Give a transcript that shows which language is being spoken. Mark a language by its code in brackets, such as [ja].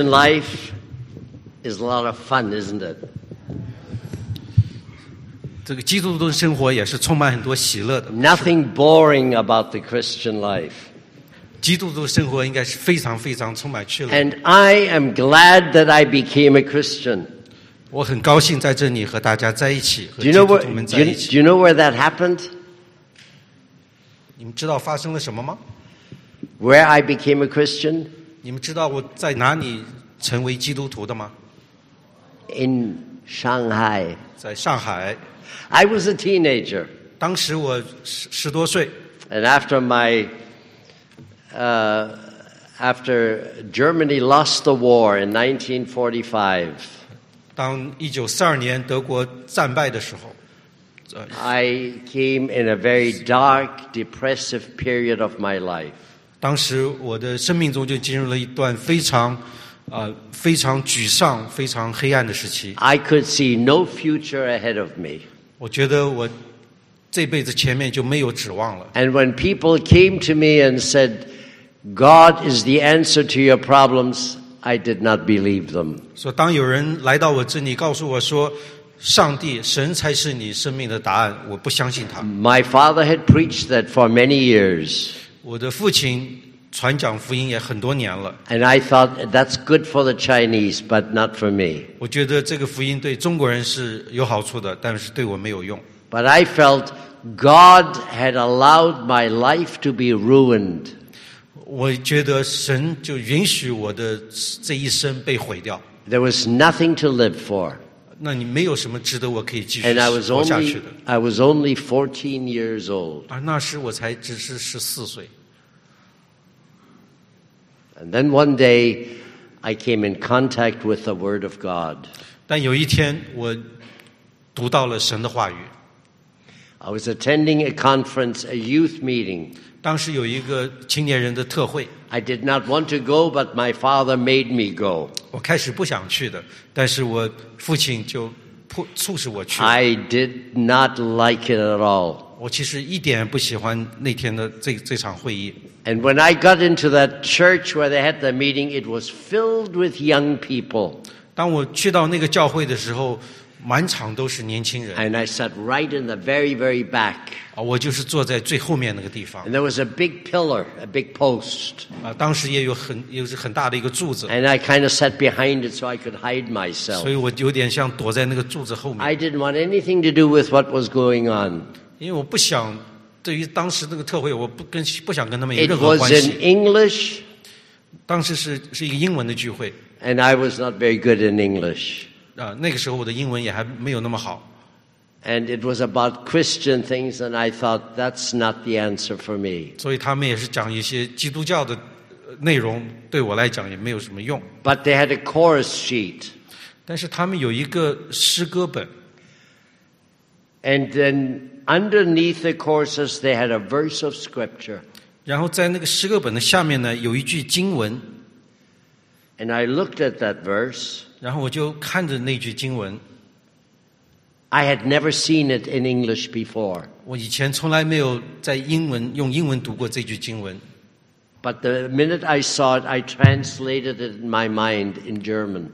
[en] And life is a lot of fun, isn't it? [zh] 这个基督徒的生活也是充满很多喜乐的。 [en] Nothing boring about the Christian life. [zh] 基督徒生活应该是非常非常充满趣乐。 [en] And I am glad that I became a Christian. [zh] 我很高兴在这里和大家在一起，和基督徒们在一起。 [en] Do you know where that happened? [zh] 你们知道发生了什么吗？ [en] Where I became a Christian? [zh] 你们知道我在哪里成为基督徒的吗？ [en] In Shanghai. [zh] 在上海。 [en] I was a teenager. [zh] 当时我十多岁。 [en] And after Germany lost the war in 1945. [zh] 当1942年德国战败的时候。 [en] I came in a very dark, depressive period of my life. [zh] 当时我的生命中就进入了一段非常沮丧、非常黑暗的时期。 [en] I could see no future ahead of me. [zh] 我觉得我这辈子前面就没有指望了。 [en] And when people came to me and said, God is the answer to your problems, I did not believe them. [zh] 所以当有人来到我这里告诉我说，上帝、神才是你生命的答案，我不相信他。 [en] My father had preached that for many years. [zh] 我的父亲传讲福音也很多年了。 [en] And I thought that's good for the Chinese, but not for me. [zh] 我觉得这个福音对中国人是有好处的，但是对我没有用。 [en] But I felt God had allowed my life to be ruined. [zh] 我觉得神就允许我的这一生被毁掉。 [en] There was nothing to live for. [zh] 那你没有什么值得我可以继续活下去的。 [en] I was only 14 years old. [zh] 那时我才只是14岁。 [en] And then one day, I came in contact with the Word of God. [zh] 但有一天我读到了神的话语。 [en] I was attending a conference, a youth meeting. [zh] 当时有一个青年人的特会。 [en] I did not want to go, but my father made me go. [zh] 我开始不想去的，但是我父亲就促使我去。 [en] I did not like it at all. [zh] 我其实一点不喜欢那天的这场会议。 [en] And when I got into that church where they had the meeting, it was filled with young people. [zh] 当我去到那个教会的时候，满场都是年轻人。 [en] And I sat right in the very, very back. [zh] 我就是坐在最后面那个地方。 [en] And there was a big pillar, a big post. [zh] 当时也有又是很大的一个柱子。 [en] And I kind of sat behind it so I could hide myself. [zh] 所以我有点像躲在那个柱子后面。 [en] I didn't want anything to do with what was going on. [zh] 因为我不想对于当时那个特会，我不想跟他们有任何关系。 [en] It was in English. [zh] 当时是一个英文的聚会。 [en] And I was not very good in English. [zh] 那个时候我的英文也还没有那么好。 [en] And it was about Christian things, and I thought that's not the answer for me. [zh] 所以他们也是讲一些基督教的内容，对我来讲也没有什么用。 [en] But they had a chorus sheet. [zh] 但是他们有一个诗歌本。 [en] And then underneath the choruses, they had a verse of scripture. [zh] 然后在那个诗歌本的下面呢，有一句经文。 [en] And I looked at that verse. [zh] 然后我就看着那句经文。 [en] I had never seen it in English before. [zh] 我以前从来没有在英文用英文读过这句经文。 [en] But the minute I saw it, I translated it in my mind in German.